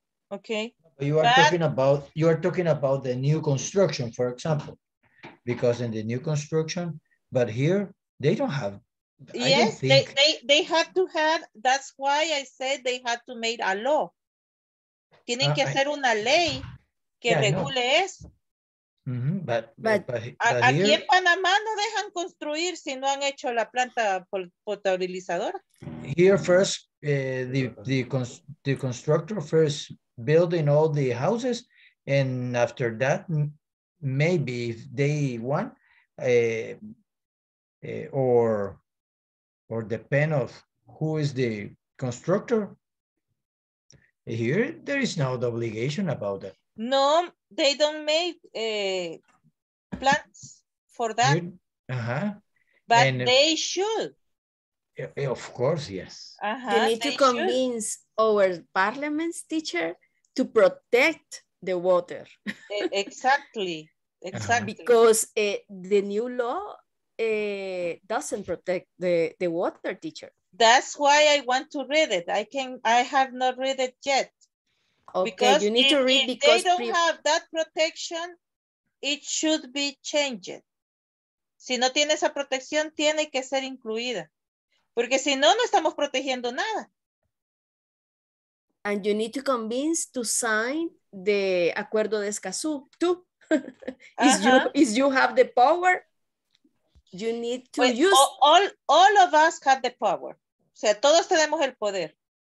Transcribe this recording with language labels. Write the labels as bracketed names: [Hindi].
[English] Okay. But you are talking about the new construction, for example, because in the new construction, but here they don't have. Yes, they had to have. That's why I said they had to make a law. [Spanish] Tienen que hacer una ley que regule eso. Mm-hmm. But aquí en Panamá no dejan construir si no han hecho la planta potabilizadora. [English] Here first, the constructor first building all the houses, and after that, maybe if they want, or depend of who is the constructor. Here, there is no obligation about that. No, they don't make plans for that. But and they should. Of course, yes. Uh-huh, they need to convince our parliament's teacher to protect the water. Exactly. Exactly. Because the new law doesn't protect the water, teacher. That's why I want to read it. I have not read it yet. Okay, because you need to read, because if they don't have that protection, it should be changed. [Spanish] Si no tiene esa protección, tiene que ser incluida. Porque si no, no estamos protegiendo nada. [English] And you need to convince to sign the Acuerdo de Escazú, too. is you have the power, you need to use. All of us have the power. [Spanish] O sea, todos tenemos el poder.